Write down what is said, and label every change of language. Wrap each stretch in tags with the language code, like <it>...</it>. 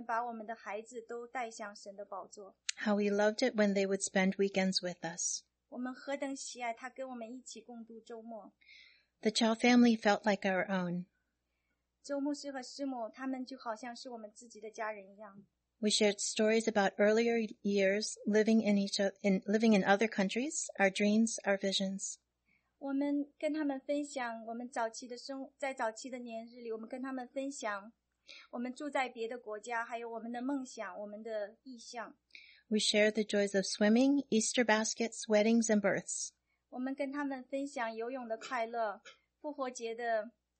<zh>我们也不知道我们的心是多么的宝贵，当我们的心连接在一起，而且他们把我们的孩子都带向神的宝座。</zh> <en>How we loved it when they would spend weekends with us.</en> <zh>我们何等喜爱他跟我们一起共度周末。</zh> <en>The Chow family felt like our own.</en> <zh>周牧师和师母，他们就好像是我们自己的家人一样。</zh> <en>We shared stories about earlier years living in each other, living in other countries, our dreams, our visions.</en> <zh>我们跟他们分享我们早期的生，在早期的年日里，我们跟他们分享我们住在别的国家，还有我们的梦想，我们的意向。</zh> <en>We shared the joys of swimming, Easter baskets, weddings, and births.</en> <zh>我们跟他们分享游泳的快乐，复活节的。</zh>